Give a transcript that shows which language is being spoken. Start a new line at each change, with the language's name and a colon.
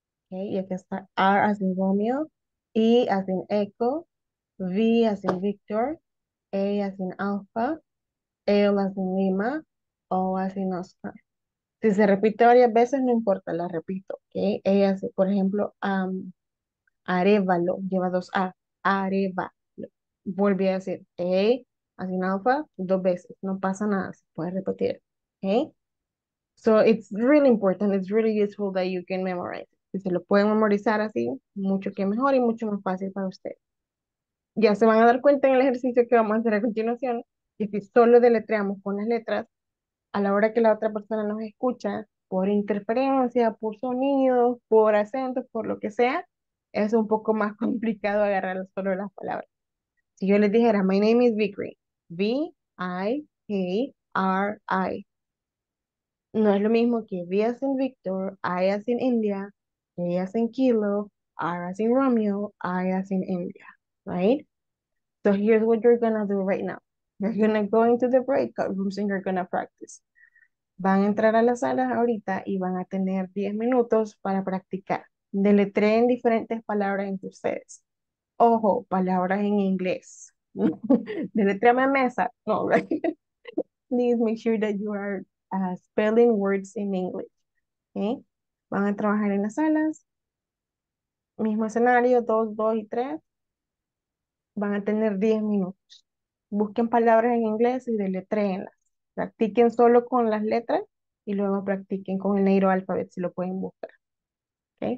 Spanish: Ok, y aquí está
English: R as in Romeo. E as in Echo, V as in Victor, A as in Alpha, L as in Lima, O as in Oscar.
Spanish: Si se repite varias veces, no importa, la repito, ¿ok?
English: A as in,
Spanish: por ejemplo, Arevalo, lleva dos A, Arevalo. Vuelve a decir
English: A as in Alpha
Spanish: dos veces, no pasa nada, se puede repetir, ¿ok?
English: So it's really important, it's really useful that you can memorize.
Spanish: Si se lo pueden memorizar así, mucho que mejor y mucho más fácil para ustedes. Ya se van a dar cuenta en el ejercicio que vamos a hacer a continuación, que si solo deletreamos con las letras, a la hora que la otra persona nos escucha, por interferencia, por sonidos, por acentos, por lo que sea, es un poco más complicado agarrar solo las palabras. Si yo les dijera,
English: my name is Vickery, V-I-K-R-I,
Spanish: no es lo mismo que
English: V as in Victor, I as in India, A as in Kilo, R as in Romeo, I as in India, right? So here's what you're gonna do right now. You're gonna go into the breakout rooms and you're gonna practice.
Spanish: Van a entrar a las salas ahorita y van a tener 10 minutos para practicar. Deletreen diferentes palabras entre ustedes. Ojo, palabras en inglés. Deletreame mesa. No, right?
English: Please make sure that you are spelling words in English. Okay?
Spanish: Van a trabajar en las salas, mismo escenario, 2, 2 y 3. Van a tener 10 minutos. Busquen palabras en inglés y deletréenlas. Practiquen solo con las letras y luego practiquen con el negro alfabeto si lo pueden buscar. ¿Okay?